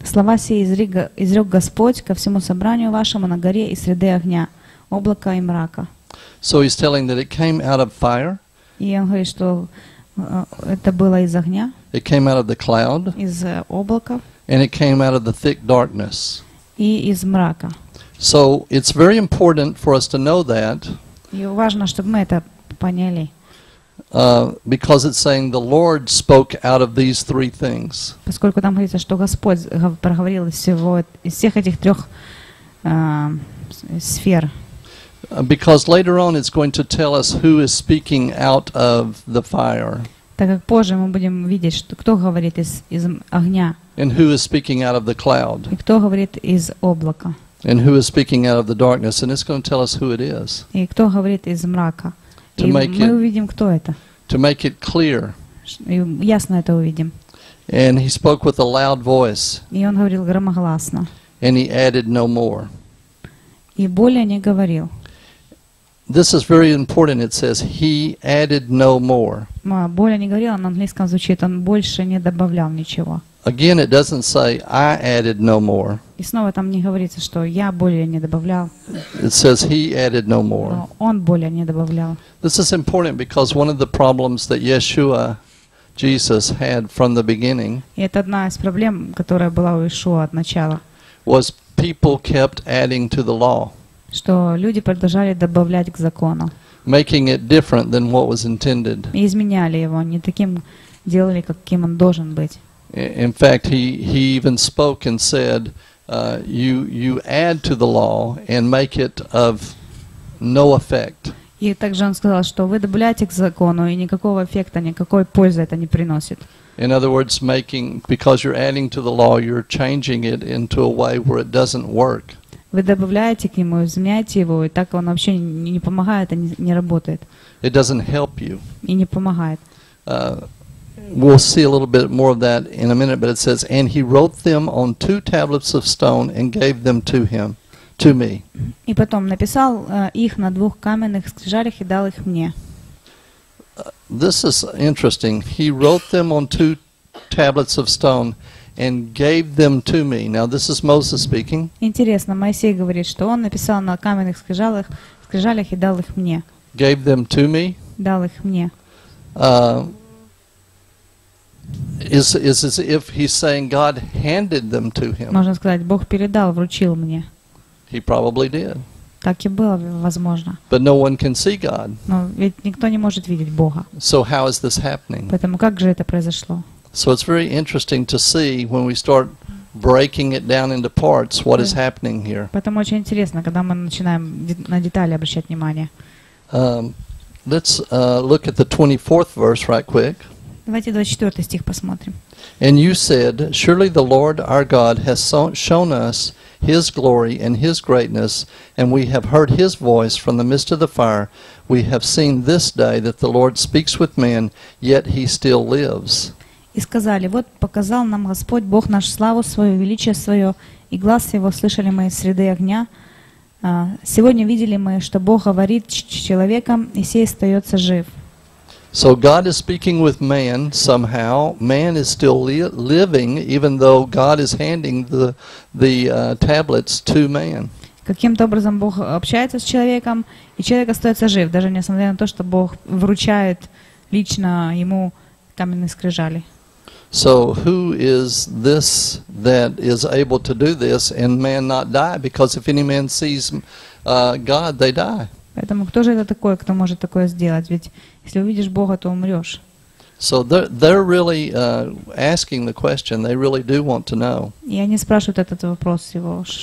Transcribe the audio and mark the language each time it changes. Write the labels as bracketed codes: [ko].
[ru] Слова сии изрек Господь ко всему собранию вашему на горе из среды огня, облака и мрака. [en] So he's telling that it came out of fire. [ru] И он говорит, что это было из огня. [en] It came out of the cloud. [ru] Из облака. [en] And it came out of the thick darkness. [ru] И из мрака. [en] So it's very important for us to know that. [ru] И важно, чтобы мы это поняли. [en] Because it's saying the Lord spoke out of these three things. [ru] Поскольку там говорится, что Господь проговорил из всех этих трех сфер. [en] Because later on it's going to tell us who is speaking out of the fire. [ru] Так как позже мы будем видеть, что, кто говорит из огня. [en] And who is speaking out of the cloud. [ru] И кто говорит из облака. [en] And who is speaking out of the darkness. And it's going to tell us who it is. [ru] И кто говорит из мрака. [en] To [ru] и [en] make [ru] мы [en] it, [ru] увидим, кто это. [en] To make it clear. [ru] И ясно это увидим. [en] And he spoke with a loud voice. [ru] И он говорил громогласно. [en] And he added no more. [ru] И более не говорил. [en] This is very important. It says he added no more. [ru] Более не говорил, на английском звучит, он больше не добавлял ничего. [en] Again, it doesn't say I added no more. [ru] И снова там не говорится, что я более не добавлял. [en] It says he added no more. [ru] Он более не добавлял. [en] This is important because one of the problems that Yeshua, Jesus, had from the beginning. [ru] И это одна из проблем, которая была у Иешуа от начала. [en] Was people kept adding to the law. [ru] Что люди продолжали добавлять к закону. [en] Making it different than what was intended. [ru] И изменяли его, не таким делали, каким он должен быть. [en] In fact, he even spoke and said, you add to the law and make it of no effect. [ru] И также он сказал, что вы добавляете к закону, и никакого эффекта, никакой пользы это не приносит. [en] In other words, making, because you're adding to the law, you're changing it into a way where it doesn't work. [ru] Вы добавляете к нему, изменяете его, и так он вообще не помогает, не работает. [en] It doesn't help you. [ru] И не помогает. [en] We'll see a little bit more of that in a minute, but it says, and he wrote them on two tablets of stone and gave them to him, to me. [ru] И потом написал их на двух каменных скрижалях и дал их мне. [en] This is interesting. He wrote them on two tablets of stone and gave them to me. Now this is Moses speaking. [ru] Интересно, Моисей говорит, что он написал на каменных скрижалях, скрижалях и дал их мне. [en] Gave them to me. [ru] Дал их мне. [en] Is if he's saying God handed them to him. [ru] Можно сказать, Бог передал, вручил мне. [en] He probably did. [ru] Так и было, возможно. [en] But no one can see God. [ru] Но ведь никто не может видеть Бога. [en] So how is this happening? [ru] Поэтому как же это произошло? [en] So it's very interesting to see when we start breaking it down into parts what is happening here. [ru] Поэтому очень интересно, когда мы начинаем на детали обращать внимание. [en] Let's look at the 24th verse right quick. [ru] Давайте 24 стих посмотрим. [en] And you said, surely the Lord our God has shown us His glory and His greatness, and we have heard His voice from the midst of the fire. We have seen this day that the Lord speaks with man, yet He still lives. [ru] И сказали, вот показал нам Господь Бог наш славу свою, величие свое, и глас Его слышали мы из среды огня. Сегодня видели мы, что Бог говорит с человеком, и сей остается жив. [en] So God is speaking with man somehow. Man is still living, even though God is handing the tablets to man. [ru] Каким-то образом Бог общается с человеком, и человек остается жив, даже несмотря на то, что Бог вручает лично ему каменные скрижали. [en] So who is this that is able to do this and man not die? Because if any man sees God, they die. [ru] Поэтому кто же это такой, кто может такое сделать? Ведь если увидишь Бога, то умрешь. [en] So they're really asking the question. They really do want to know. [ru] И они спрашивают этот вопрос его.